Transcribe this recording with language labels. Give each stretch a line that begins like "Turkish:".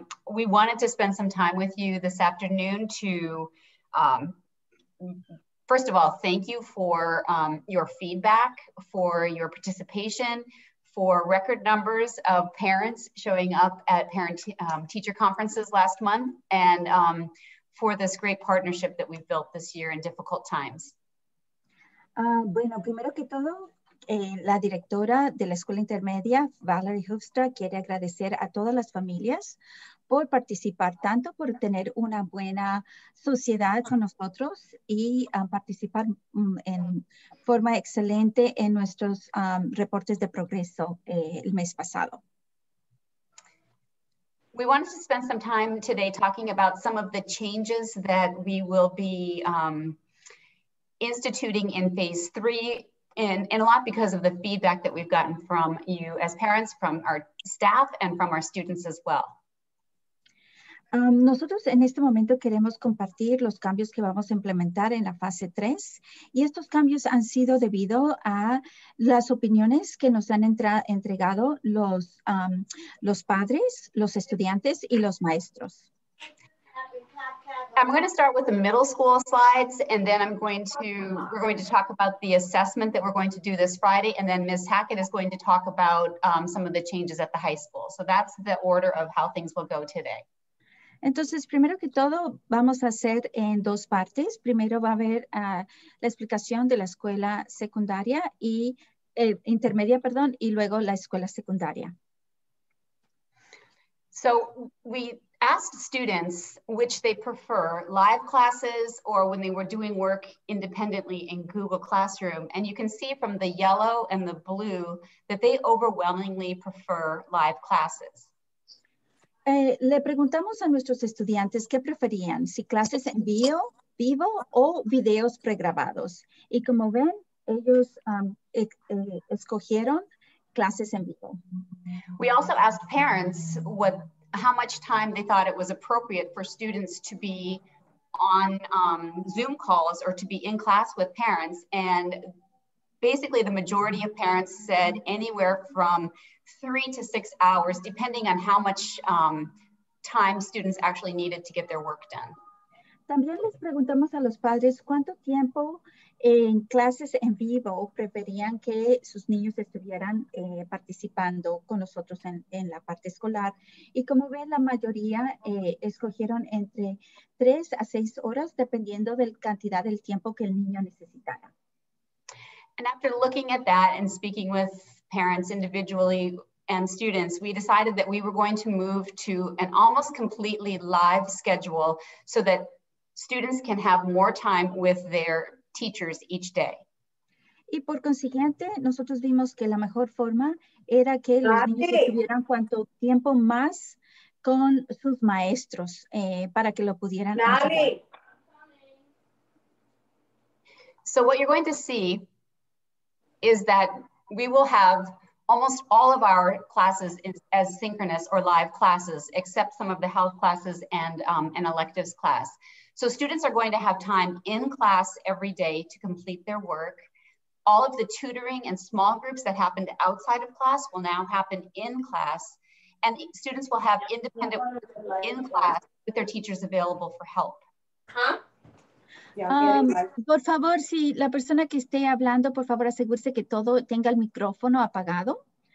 English: We wanted to spend some time with you this afternoon to, first of all, thank you for your feedback, for your participation, for record numbers of parents showing up at parent-teacher conferences last month, and for this great partnership that we've built this year in difficult times.
Spanish: Bueno, primero que todo, la directora de la escuela intermedia, Valerie Hoofstra, quiere agradecer a todas las familias por participar tanto, por tener una buena sociedad con nosotros y participar en forma excelente en nuestros reportes de progreso el mes pasado.
English: We wanted to spend some time today talking about some of the changes that we will be instituting in phase three, and a lot because of the feedback that we've gotten from you as parents, from our staff, and from our students as well.
Spanish: Nosotros en este momento queremos compartir los cambios que vamos a implementar en la fase 3, y estos cambios han sido debido a las opiniones que nos han entregado los padres, los estudiantes, y los maestros.
English: I'm going to start with the middle school slides, and then we're going to talk about the assessment that we're going to do this Friday, and then Ms. Hackett is going to talk about some of the changes at the high school. So that's the order of how things will go today.
Spanish: Entonces, primero que todo, vamos a hacer en dos partes. Primero va a haber la explicación de la escuela secundaria y intermedia, perdón, y luego la escuela secundaria.
English: So we asked students which they prefer, live classes or when they were doing work independently in Google Classroom. And you can see from the yellow and the blue that they overwhelmingly prefer live classes.
Spanish: Le preguntamos a nuestros estudiantes qué preferían, si clases en vivo o videos pregrabados. Y como ven, ellos escogieron clases en vivo.
English: We also asked parents how much time they thought it was appropriate for students to be on Zoom calls or to be in class with parents. And basically the majority of parents said anywhere from 3 to 6 hours, depending on how much time students actually needed to get their work done.
Spanish: También les preguntamos a los padres cuánto tiempo en clases en vivo preferían que sus niños estuvieran participando con nosotros en la parte escolar. Y como ven, la mayoría escogieron entre 3 a 6 horas, dependiendo de la cantidad del tiempo que el niño necesitara.
English: And after looking at that and speaking with parents individually and students, we decided that we were going to move to an almost completely live schedule so that students can have more time with their teachers each day.
Spanish: Y por consiguiente, nosotros vimos que la mejor forma era que los niños estuvieran cuanto tiempo más con sus maestros para que lo pudieran hacer.
English: So what you're going to see is that we will have almost all of our classes as synchronous or live classes, except some of the health classes and an electives class. So students are going to have time in class every day to complete their work. All of the tutoring and small groups that happened outside of class will now happen in class, and students will have independent work in class with their teachers available for help. Huh?
Spanish: Por favor, si la persona que esté hablando, por favor, asegúrese que todo tenga el micrófono apagado.